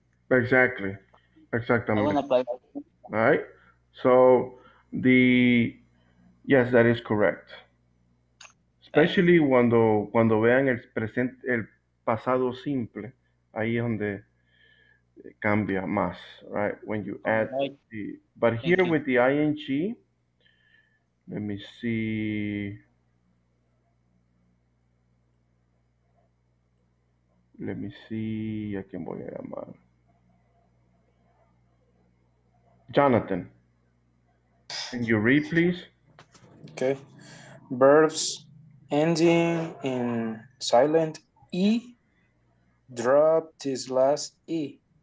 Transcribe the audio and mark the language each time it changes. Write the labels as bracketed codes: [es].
[en] Exactly. [es] Exactamente. [en] All right. So the yes, that is correct. Especially [es] cuando vean el presente, el pasado simple, ahí es donde cambia más, [en] right? When you add the but here with the ing, let me see. Let me see [es] a quién voy a llamar. [en] Jonathan, can you read, please? Okay. Verbs ending in silent E, drop this last E.